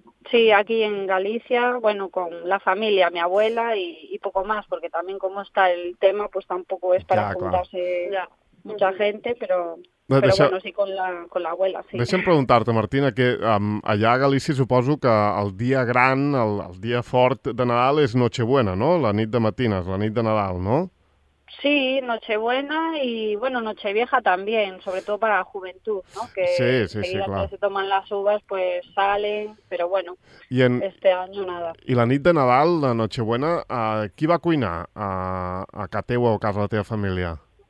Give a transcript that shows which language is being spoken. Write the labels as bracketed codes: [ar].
[es] Sí, aquí en Galícia, bueno, con la familia, mi abuela y poco más, porque también como está el tema, pues tampoco es para juntarse mucha gente, pero... Bueno, sí, con la abuela, sí. [ca] Deixa'm preguntar-te, Martina, que allà a Galícia suposo que el dia gran, el dia fort de Nadal és Nochebuena, no? La nit de matines, la nit de Nadal, no? [es] Sí, Nochebuena y, bueno, Nochevieja también, sobre todo para la juventud, ¿no? Que sí, claro. Que se toman las uvas, pues salen, pero bueno, este año nada. [ca] I la nit de Nadal, la Nochebuena, qui va cuinar? A casa teua o a casa de la teva família?